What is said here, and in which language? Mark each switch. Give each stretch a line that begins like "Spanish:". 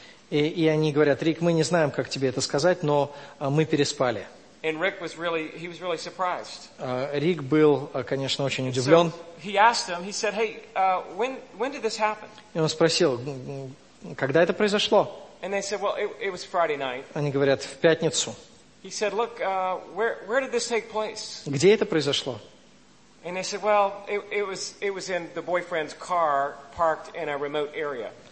Russian: И они говорят: «Рик, мы не знаем, как тебе это сказать, но мы переспали».
English: And Rick was really, he was really surprised.
Russian: Рик был, конечно, очень удивлен.
English: He asked him, he said, hey, when did this happen?
Russian: И он спросил, когда это произошло?
English: And they said, well, it was Friday night.
Russian: Они говорят, в пятницу.
English: He said, look, where did this take place?
Russian: Где это произошло?
English: And they said, well, it was in the boyfriend's car parked in a remote area.